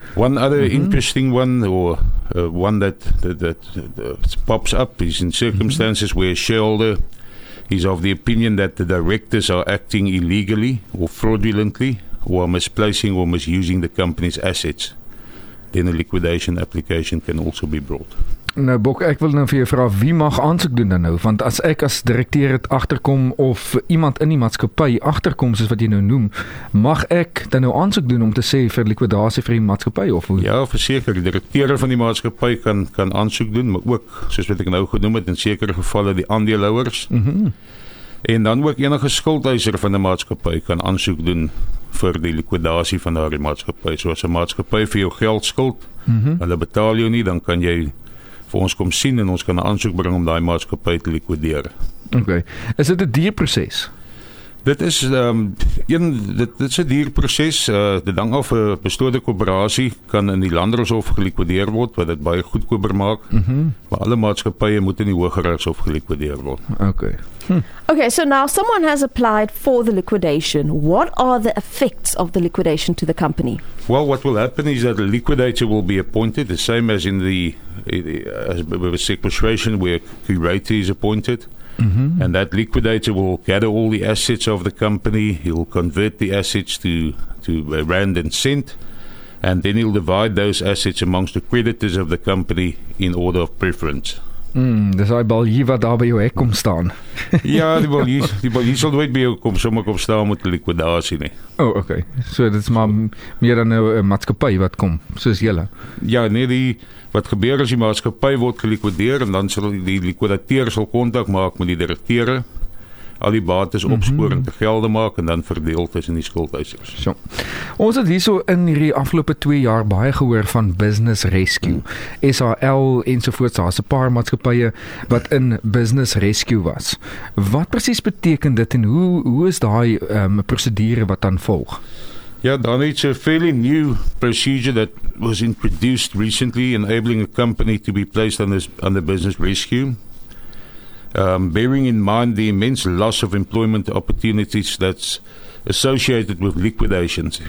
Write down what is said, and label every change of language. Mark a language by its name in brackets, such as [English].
[English] One other interesting one, or one that pops up, is in circumstances where a shareholder is of the opinion that the directors are acting illegally or fraudulently or are misplacing or misusing the company's assets, then a liquidation application can also be brought. [Afrikaans] Nou Bok, ek wil nou vir jou vraag, wie mag aansoek doen dan nou? Want as ek as direkteur het achterkom of iemand in die maatskappy achterkom, soos wat jy nou noem, mag ek dan nou aansoek doen om te sê vir liquidasie vir die maatskappy? Of hoe? Ja, verseker, die directeur van die maatskappy kan aansoek doen, maar ook, soos wat ek nou genoem het, in sekere gevalle die aandeelhouers. Mm-hmm. En dan ook enige skuldeiser van die maatskappy kan aansoek doen vir die liquidasie van die maatskappy. So as die maatskappy vir jou geld skuld, hulle betaal jou nie, dan kan jy voor ons kom sien en ons kan 'n aansoek bring om daai maatskappy te liquideer. Okay. Is dit 'n duur proses? Dit is 'n duur proses. Dit hang af, 'n beslote korporasie kan in die landdroshof geliquideer word, wat dit baie goedkoper maak. Mm-hmm. Maar alle maatskappye moet in die hogeregshof geliquideer word. Okay. [English] Okay, so now someone has applied for the liquidation. What are the effects of the liquidation to the company? Well, what will happen is that a liquidator will be appointed, the same as in the sequestration where a curator is appointed. Mm-hmm. And that liquidator will gather all the assets of the company. He'll convert the assets to rand and cent. And then he'll divide those assets amongst the creditors of the company in order of preference. [Afrikaans] Dis hy baljie wat daar by jou hek kom staan. Ja, die baljie sal nooit by jou kom, sommer kom staan met liquidasie nie. Oh, okay. So dit is maar meer dan nou 'n maatskappy wat kom, soos julle. Ja, nee, die wat gebeur is die maatskappy word gelikwideer en dan sal die liquidateur sal kontak maak met die direkteure. al die bates opspoor en te gelde maak en dan verdeel tussen die skuldhuisers. So. Ons het hierso in die afgelope 2 jaar baie gehoor van Business Rescue, SAL en sovoorts, daar is 'n paar maatskappye wat in Business Rescue was. Wat precies beteken dit en hoe is daai prosedure wat dan volg? [English] Yeah, Don, it's a fairly new procedure that was introduced recently, enabling a company to be placed under business rescue. Bearing in mind the immense loss of employment opportunities that's associated with liquidations.